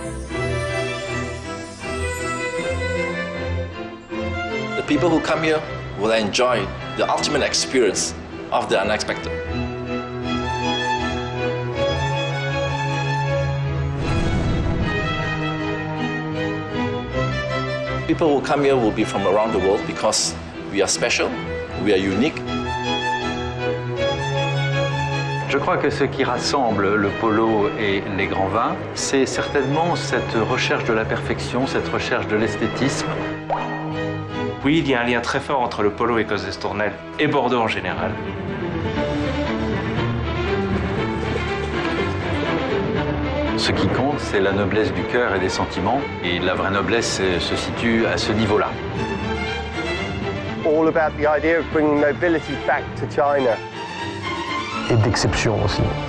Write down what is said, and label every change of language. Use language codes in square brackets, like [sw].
[en] The people who come here will enjoy the ultimate experience of the unexpected. People who come here will be from around the world because we are special, we are unique. [fr] Je crois que ce qui rassemble le polo et les grands vins, c'est certainement cette recherche de la perfection, cette recherche de l'esthétisme. Oui, il y a un lien très fort entre le polo et Causes Tournelles, et Bordeaux en général. Ce qui compte, c'est la noblesse du cœur et des sentiments, et la vraie noblesse se situe à ce niveau-là. [en] All about the idea of bringing nobility back to China. [fr] Et d'exception aussi.